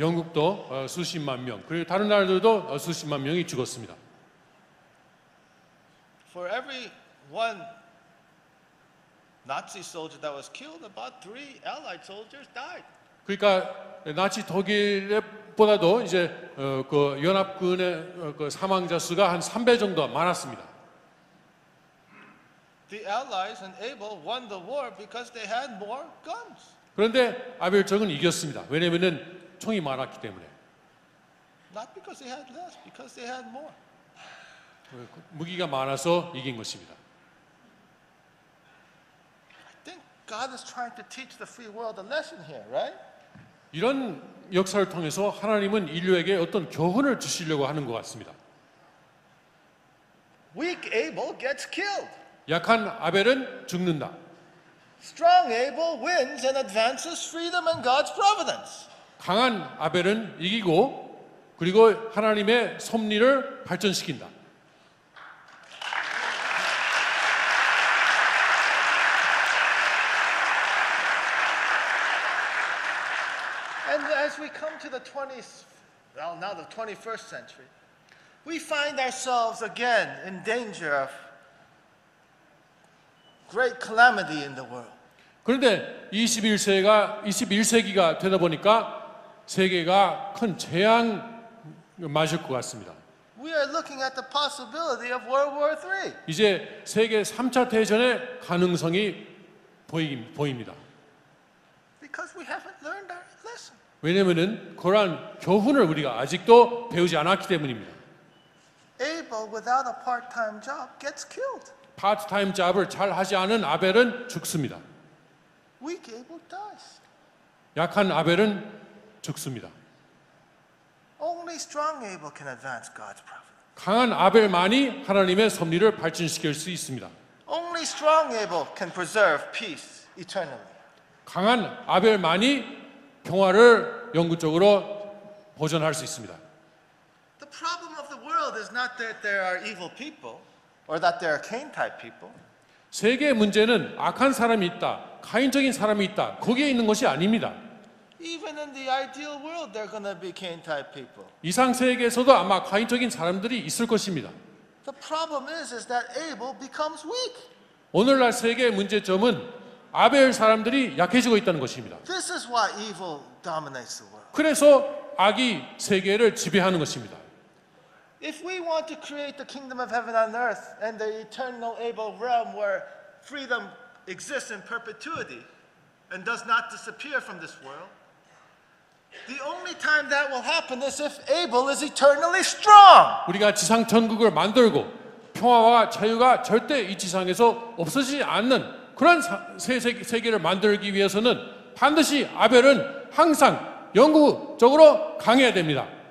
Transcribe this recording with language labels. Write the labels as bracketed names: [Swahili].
[Korean] 영국도 수십만 명, 그리고 다른 나라들도 수십만 명이 죽었습니다. [English] For every one Nazi soldier that was killed, about three Allied soldiers died. [Korean] 그러니까 나치 독일보다도 이제 그 연합군의 그 사망자 수가 한 3배 정도 많았습니다. [English] The Allies and Abel won the war because they had more guns. [Korean] 그런데 아벨 쪽은 이겼습니다. 왜냐하면은 총이 많았기 때문에. [English] Not because they had less, because they had more. [Korean] 무기가 많아서 이긴 것입니다. [English] I think God is trying to teach the free world a lesson here, right? [Korean] 이런 역사를 통해서 하나님은 인류에게 어떤 교훈을 주시려고 하는 것 같습니다. [English] Weak Abel gets killed. [Korean] 약한 아벨은 죽는다. [English] Strong Abel wins and advances freedom and God's providence. [Korean] 강한 아벨은 이기고 그리고 하나님의 섭리를 발전시킨다. [English] we come to the 21st century, we find ourselves again in danger of great calamity in the world. [Korean] 그런데 21세기가 되다 보니까 세계가 큰 재앙 마실 것 같습니다. [English] We are looking at the possibility of World War III. [Korean] 이제 세계 3차 대전의 가능성이 보입니다. [English] Because we haven't learned our lesson. [Korean] 왜냐하면은 그러한 교훈을 우리가 아직도 배우지 않았기 때문입니다. [English] Abel without a part-time job gets killed. [Korean] 파트타임 잡을 잘 하지 않은 아벨은 죽습니다. [English] Weak Abel dies. [Korean] 약한 아벨은 죽습니다. [English] Only strong Abel can advance God's providence. [Korean] 강한 아벨만이 하나님의 섭리를 발전시킬 수 있습니다. [English] Only strong Abel can preserve peace eternally. [Korean] 강한 아벨만이 평화를 영구적으로 보존할 수 있습니다. [English] The problem of the world is not that there are evil people or that there are Cain-type people. [Korean] 세계의 문제는 악한 사람이 있다, 가인적인 사람이 있다, 거기에 있는 것이 아닙니다. [English] Even in the ideal world, there are going to be Cain-type people. [Korean] 이상 세계에서도 아마 가인적인 사람들이 있을 것입니다. [English] The problem is that Abel becomes weak. [Korean] 오늘날 세계의 문제점은 아벨 사람들이 약해지고 있다는 것입니다. [English] This is why evil dominates the world. [Korean] 그래서 악이 세계를 지배하는 것입니다. [English] If we want to create the kingdom of heaven on earth and the eternal Abel realm where freedom exists in perpetuity and does not disappear from this world, the only time that will happen is if Abel is eternally strong. [Korean] 우리가 지상 천국을 만들고 평화와 자유가 절대 이 지상에서 없어지지 않는 그런 세계를 만들기 위해서는 반드시 아벨은 항상 영구적으로 강해야 됩니다.